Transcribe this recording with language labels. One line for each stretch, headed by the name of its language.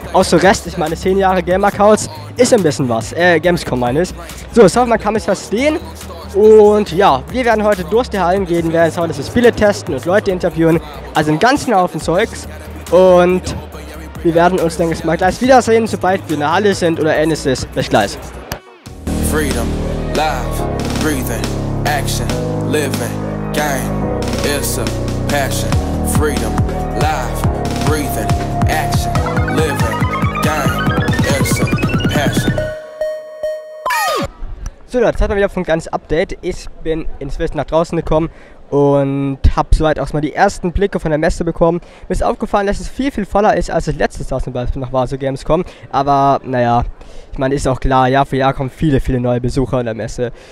German: Auch so restlich meine 10 Jahre Game-Accounts ist ein bisschen was. Gamescom meine ich. So, ich hoffe, man kann mich verstehen. Und ja, wir werden heute durch die Hallen gehen, werden heute so Spiele testen und Leute interviewen. Also einen ganzen Haufen Zeugs. Und wir werden uns, denke ich, mal gleich wiedersehen, sobald wir in der Halle sind oder ähnliches. Bis gleich.
English: Freedom, life, breathing, action, living, game. It's a passion, freedom, life, breathing, action, living, game. It's a passion.
German: So Leute, jetzt haben wir wieder ein kleines Update. Ich bin inzwischen nach draußen gekommen und habe soweit auch mal die ersten Blicke von der Messe bekommen. Mir ist aufgefallen, dass es viel, viel voller ist, als es letztes Jahr zum Beispiel noch war, so Gamescom. Aber naja, ich meine, ist auch klar, Jahr für Jahr kommen viele, viele neue Besucher in der Messe.